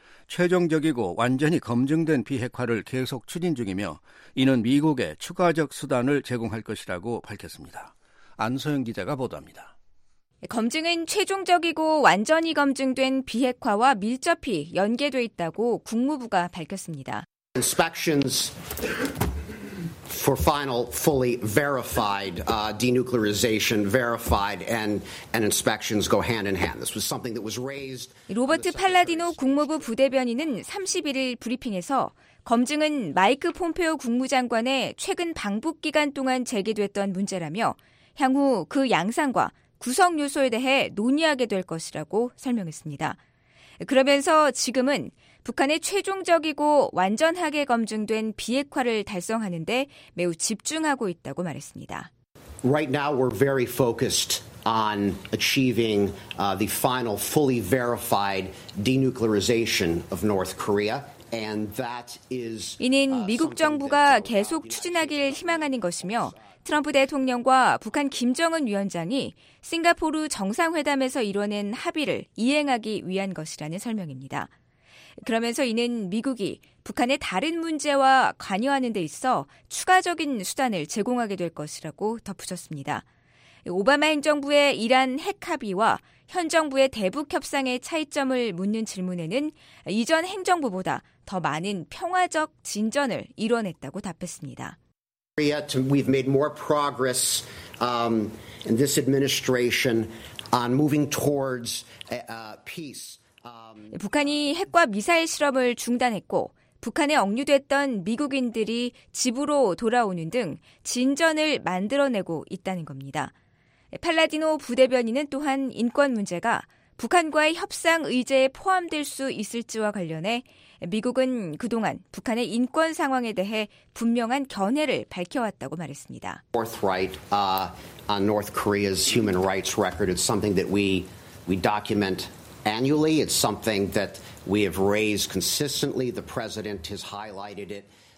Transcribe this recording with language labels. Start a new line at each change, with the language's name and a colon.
Korean: 최종적이고 완전히 검증된 비핵화를 계속 추진 중이며 이는 미국에 추가적 수단을 제공할 것이라고 밝혔습니다. 안소영 기자가 보도합니다. 검증은 최종적이고 완전히 검증된 비핵화와 밀접히 연계돼 있다고 국무부가 밝혔습니다.
English: Inspections for final, fully verified denuclearization, verified and inspections go hand in hand. This was something that was raised.
Korean: 로버트 팔라디노 국무부 부대변인은 31일 브리핑에서 검증은 마이크 폼페오 국무장관의 최근 방북 기간 동안 제기됐던 문제라며 향후 그 양상과 구성 요소에 대해 논의하게 될 것이라고 설명했습니다. 그러면서 지금은 북한의 최종적이고 완전하게 검증된 비핵화를 달성하는 데 매우 집중하고 있다고 말했습니다.
English: Right now we're very focused on achieving the final fully verified denuclearization of North Korea. And that is
Korean: 이는 미국 정부가 계속 추진하길 희망하는 것이며 트럼프 대통령과 북한 김정은 위원장이 싱가포르 정상회담에서 이뤄낸 합의를 이행하기 위한 것이라는 설명입니다. 그러면서 이는 미국이 북한의 다른 문제와 관여하는 데 있어 추가적인 수단을 제공하게 될 것이라고 덧붙였습니다. 오바마 행정부의 이란 핵 합의와 현 정부의 대북 협상의 차이점을 묻는 질문에는 이전 행정부보다 더 많은 평화적 진전을 이뤄냈다고 답했습니다.
English: We've made more progress in this administration on moving towards peace.
Korean: 북한이 핵과 미사일 실험을 중단했고 북한에 억류됐던 미국인들이 집으로 돌아오는 등 진전을 만들어내고 있다는 겁니다. 팔라디노 부대변인은 또한 인권 문제가 북한과의 협상 의제에 포함될 수 있을지와 관련해 미국은 그동안 북한의 인권 상황에 대해 분명한 견해를 밝혀왔다고 말했습니다.
English: Forthright on North Korea's human rights record is something that we document annually. It's something that we have raised consistently. The president has highlighted it.